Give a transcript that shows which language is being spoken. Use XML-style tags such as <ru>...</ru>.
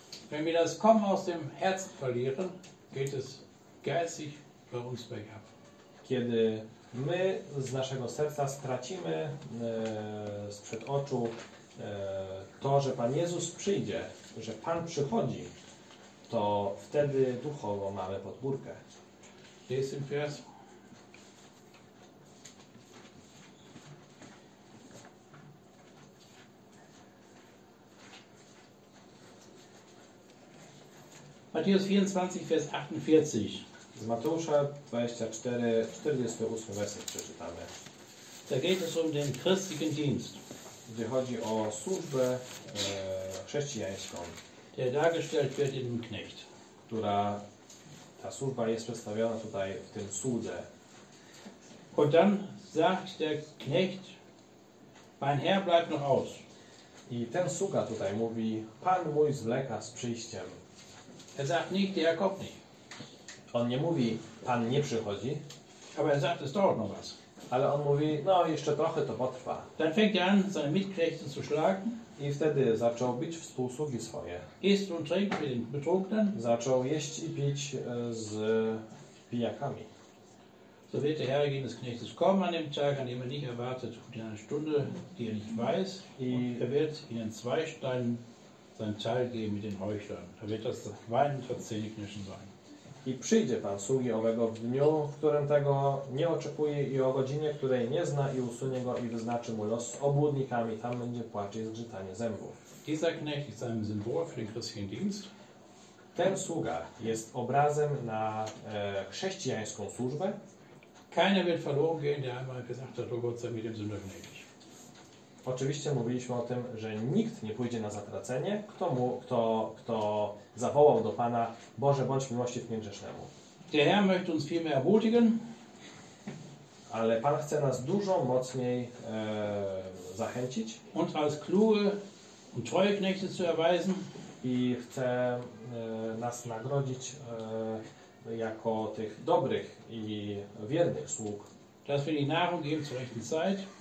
<de>Wenn wir das Kommen aus dem Herzen verlieren, geht es geistig bei uns bergab.</de> <pl>Kiedy my z naszego serca stracimy sprzed oczu to, że Pan Jezus przyjdzie, że Pan przychodzi, to wtedy duchowo mamy podbórkę. Gdzie jest ten wers?</pl> <de>Matthäus 24, Vers 48.</de> <pl>Z Mateusza 24, 48 werset przeczytamy.</pl> <de>Da geht es um den christlichen Dienst.</de> <pl>Gdzie chodzi o służbę chrześcijańską.</pl> <de>Der dargestellt wird in dem Knecht.</de> <pl>Która, ta służba jest przedstawiona tutaj w tym słudze.</pl> <de>Und dann sagt der Knecht, mein Herr bleibt noch aus.</de> <pl>I ten sługa tutaj mówi, Pan mój zwleka z przyjściem.</pl> <de>Er sagt nicht, der kommt nicht.</de> <pl>On nie mówi, Pan nie przychodzi.</pl> <de>Aber er sagt, es dauert noch was.</de> <pl>Ale on mówi, no jeszcze trochę to potrwa.</pl> <de>Dann fängt er an, seine Mitknechte zu schlagen.</de> <pl>I wtedy zaczął bić współsługi swoje.</pl> <de>Isst und trinkt mit den Betrunkenen.</de> <pl>Zaczął jeść i pić z pijakami.</pl> <de>So wird der Herr gegen des Knechtes kommen an dem Tag, an dem er nicht erwartet, in einer Stunde, die er nicht weiß. I er wird ihnen zwei Steinen sein Teil geben mit den Heuchlern. Da wird das Wein verzehnknischen sein.</de> <pl>I przyjdzie Pan sługi owego w dniu, w którym tego nie oczekuje i o godzinie, której nie zna i usunie go i wyznaczy mu los z obłudnikami. Tam będzie płacz i zgrzytanie zębów.</pl> <de>Dieser Knecht ist ein Symbol für den christlichen Dienst.</de> <pl>Ten sługa jest obrazem na chrześcijańską służbę.</pl> <de>Keiner wird verloren gehen, der einmal gesagt hat, oh Gott sei mit dem Sünder gnädig.</de> <pl>Oczywiście mówiliśmy o tym, że nikt nie pójdzie na zatracenie, kto zawołał do Pana, Boże, bądź miłościw mnie grzesznemu.</pl> <de>Der Herr möchte uns viel mehr ermutigen.</de> <pl>Ale Pan chce nas dużo mocniej zachęcić.</pl> <de>Und als kluge und treue Knechte zu erweisen.</de> <pl>I chce nas nagrodzić jako tych dobrych i wiernych sług.</pl> <de>Dass wir die Nahrung geben zur rechten Zeit.</de>